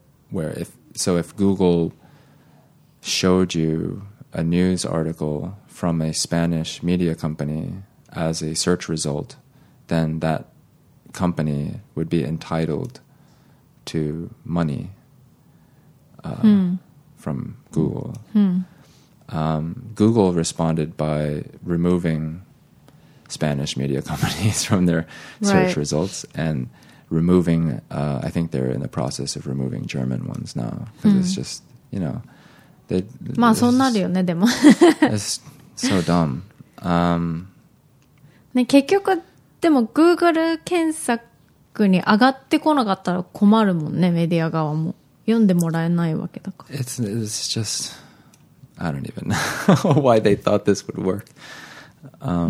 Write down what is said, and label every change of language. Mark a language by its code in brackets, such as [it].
[en] where if, so if Google showed you a news article from a Spanish media company as a search result, then thatcompany would be entitled to money from Google. Google responded by removing Spanish media companies from their search、right. results and removing, I think they're in the process of removing German ones now. Because、mm. it's just, you know... They, [ja] まあそうなるよね、でも。 [en] It's so dumb.、 [ja] ね、結局でも Google 検索に上がってこなかったら困るもんね、メディア側も読んでもらえないわけだから。 [en] It's just I don't even know why they thought this would work、